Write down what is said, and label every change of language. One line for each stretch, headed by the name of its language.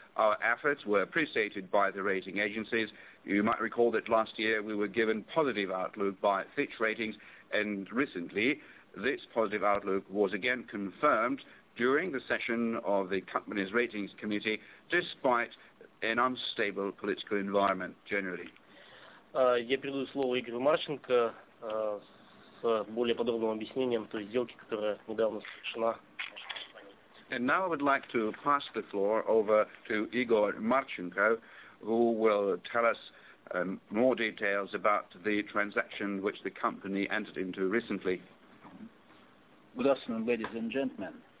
English: Our efforts were appreciated by the rating agencies. You might recall that last year we were given positive outlook by Fitch Ratings, and recently this positive outlook was again confirmed during the session of the company's ratings committee, despite an unstable political environment generally.
Russian: Я передаю слово Игорю Марченко с более подробным объяснением той сделки, которая недавно совершена.
English: And now I would like to pass the floor over to Igor Marchenko, who will tell us more details about the transaction which the company entered into recently. Good afternoon, ladies and gentlemen.